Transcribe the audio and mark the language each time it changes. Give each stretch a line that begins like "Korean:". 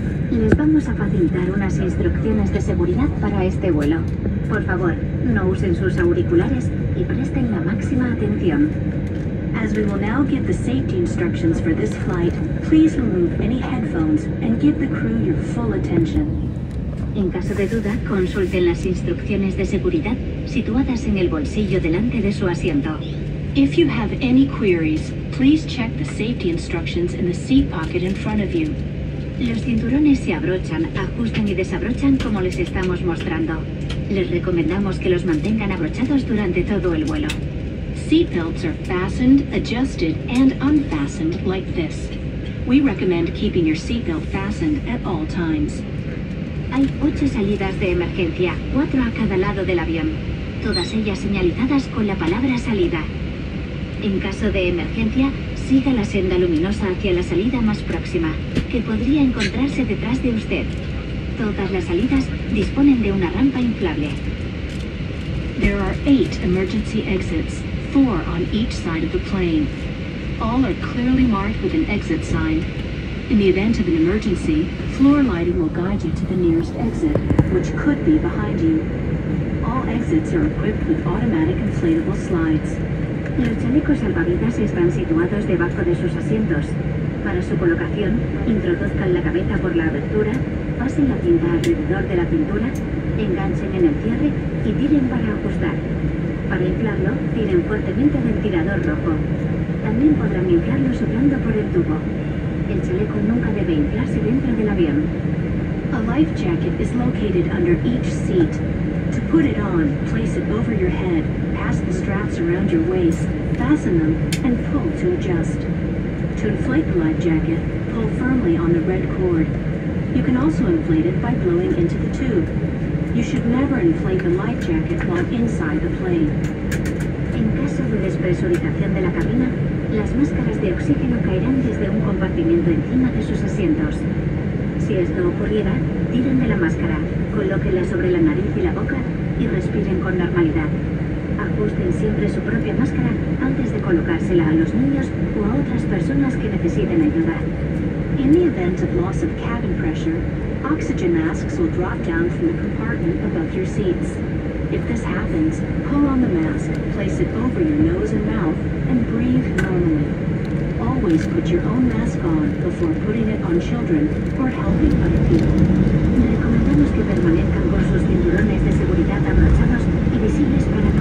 Spanish: Les vamos a facilitar unas instrucciones de seguridad para este vuelo. Por favor, no usen sus auriculares y presten la máxima atención.
English: As we will now give the safety instructions for this flight, please remove any headphones and give the crew your full attention.
Spanish: En caso de duda, consulten las instrucciones de seguridad situadas en el bolsillo delante de su asiento.
English: If you have any queries, please check the safety instructions in the seat pocket in front of you.
Spanish: Los cinturones se abrochan, ajustan y desabrochan como les estamos mostrando. Les recomendamos que los mantengan abrochados durante todo el vuelo.
English: Seat belts are fastened, adjusted, and unfastened like this. We recommend keeping your seat belt fastened at all times.
Spanish: Hay 8 salidas de emergencia, 4 a cada lado del avión. Todas ellas señalizadas con la palabra salida. En caso de emergencia, siga la senda luminosa hacia la salida más próxima, que podría encontrarse detrás de usted. Todas las salidas disponen de una rampa inflable.
English: There are 8 emergency exits, 4 on each side of the plane. All are clearly marked with an exit sign. In the event of an emergency, floor lighting will guide you to the nearest exit, which could be behind you. All exits are equipped with automatic inflatable slides.
Spanish: Los chalecos salvavidas están situados debajo de sus asientos. Para su colocación, introduzcan la cabeza por la abertura, pasen la cinta alrededor de la cintura, enganchen en el cierre y tiren para ajustar. Para inflarlo, tiren fuertemente del tirador rojo. También podrán inflarlo soplando por el tubo. El chaleco nunca debe inflarse dentro del avión.
English: A life jacket is located under each seat. To put it on, place it over your head. Pass the straps around your waist, fasten them, and pull to adjust. To inflate the life jacket, pull firmly on the red cord. You can also inflate it by blowing into the tube. You should never inflate the life jacket while inside the plane.
Spanish: En caso de despresurización de la cabina, las máscaras de oxígeno caerán desde un compartimiento encima de sus asientos. Si esto ocurriera, tiren de la máscara, colóquenla sobre la nariz y la boca, y respiren con normalidad. Ajusten siempre su propia máscara antes de colocársela a los niños o a otras personas que necesiten ayuda.
English: In the event of loss of cabin pressure, oxygen masks will drop down from the compartment above your seats. If this happens, pull on the mask, place it over your nose and mouth, and breathe normally. Always put your own mask on before putting it on children or helping other people.
Spanish: Recomendamos que permanezcan con sus cinturones de seguridad abrochados y visibles.